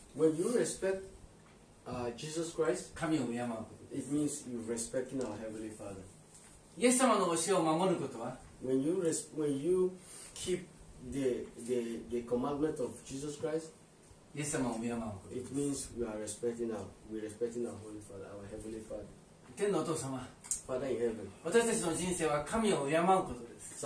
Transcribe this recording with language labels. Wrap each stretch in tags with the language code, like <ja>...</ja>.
<en>when you respect Jesus Christ,</en> <ja>神を敬うこと。</ja> <en>It means you respecting our Heavenly Father.</en> <ja>イエス様の教えを守ることは、</ja> <en>when you keep the commandment of Jesus Christ.</en> <ja>イエス様を敬うこと。</ja> <en>It means we are respecting our Holy Father, our Heavenly Father.</en> <ja>天のお父様。</ja> <en>Father in heaven.</en> <ja>私たちの人生は神を敬うことです。</ja>